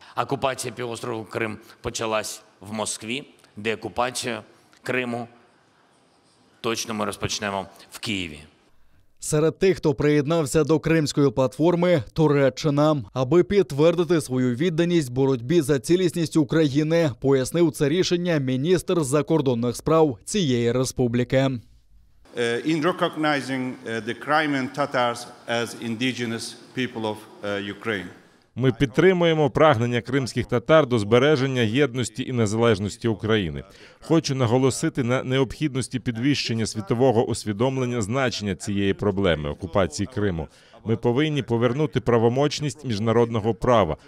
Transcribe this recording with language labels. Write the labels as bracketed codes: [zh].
[uk] Окупація півострову Крим почалась в Москві, де окупацію Криму точно ми розпочнемо в Києві. Серед тих, хто приєднався до Кримської платформи – Туреччина. Аби підтвердити свою відданість боротьбі за цілісність України, пояснив це рішення міністр закордонних справ цієї республіки. [en] In recognizing the Crimean Tatars as indigenous people of Ukraine. [uk] Ми підтримуємо прагнення кримських татар до збереження єдності і незалежності України. Хочу наголосити на необхідності підвищення світового усвідомлення значення цієї проблеми – окупації Криму. Ми повинні повернути правомочність міжнародного права.